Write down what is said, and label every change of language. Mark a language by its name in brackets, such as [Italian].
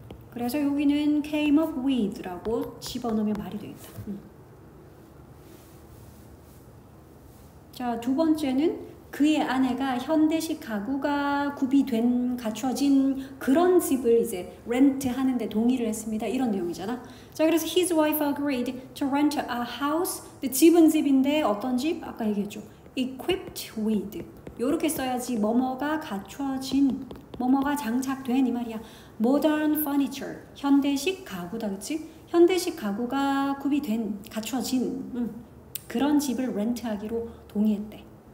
[Korean] 그래서 여기는 [English] came up with [Korean] 라고 집어넣으면 말이 되겠다. 자, 두 번째는 그의 아내가 현대식 가구가 구비된, 갖춰진 그런 집을 이제 렌트 하는데 동의를 했습니다. 이런 내용이잖아. [English] 자, 그래서 his wife agreed to rent a house. [Korean] 근데 집은 집인데 어떤 집? 아까 얘기했죠. equipped with. 요렇게 써야지 뭐뭐가 갖춰진, 뭐뭐가 장착된 이 말이야. [English] modern furniture. [Korean] 현대식 가구다. 그치? 현대식 가구가 구비된, 갖춰진 그런 집을 렌트하기로 동의했대.